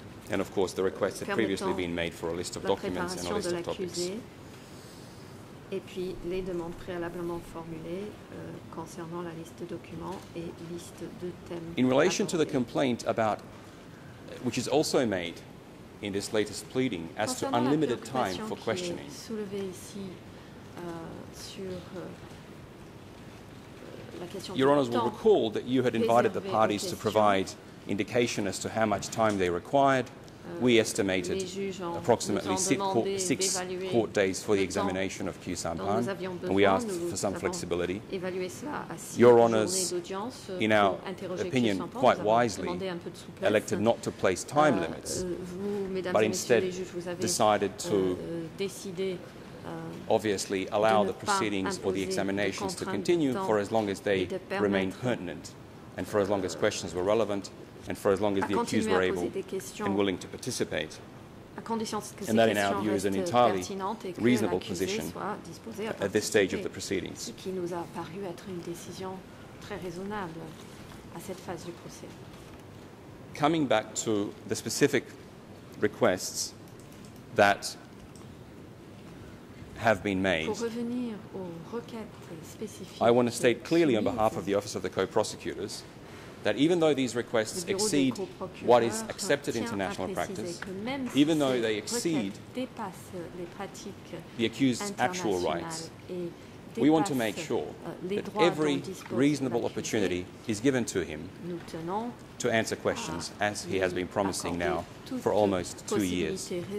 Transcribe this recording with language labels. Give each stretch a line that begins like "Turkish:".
English: And of course, the request had previously been made for a list of documents and a list of topics.
French: Et puis les demandes préalablement formulées concernant la liste de documents et liste de thèmes.
English: In relation to the complaint about, which is also made in this latest pleading, as to unlimited time for questioning.
French: Qui est soulevée ici sur la question.
English: Your Honours will recall that you had invited the parties to provide indication as to how much time they required. We estimated approximately six court days for the examination of Qu San Phan, and we asked for some flexibility. Your Honours, in our opinion, quite wisely, elected not to place time limits, but instead decided to obviously allow the proceedings or the examinations to continue for as long as they remained pertinent and for as long as questions were relevant. And for as long as the accused were able and willing to participate. And that, in our view, is an entirely reasonable position at this stage of the proceedings.
French: Ce qui nous a paru être une décision très raisonnable à cette phase du procès.
English: Coming back to the specific requests that have been made,
French: pour revenir aux requêtes spécifiques,
English: I want to state clearly on behalf of the Office of the Co-Prosecutors that even though these requests exceed what is accepted international practice, even though they exceed the accused's actual rights, we want to make sure that every reasonable opportunity is given to him to answer questions, as he has been promising now for almost 2 years.